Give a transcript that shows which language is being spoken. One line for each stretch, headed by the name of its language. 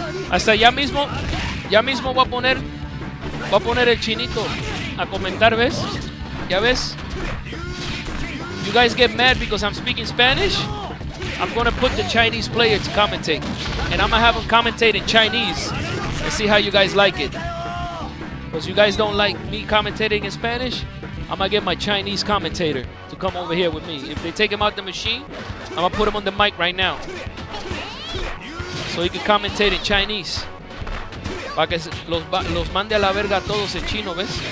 Spanish: Hasta ya mismo voy a poner el chinito a comentar, ¿ves? ¿Ya ves?
English: You guys get mad because I'm speaking Spanish? I'm gonna put the Chinese player to commentate. And I'm gonna have him commentate in Chinese and see how you guys like it. Because you guys don't like me commentating in Spanish, I'm gonna get my Chinese commentator to come over here with me. If they take him out the machine, I'm gonna put him on the mic right now. So he can commentate in Chinese.
Spanish: Para que los mande a la verga a todos en chino, ¿ves?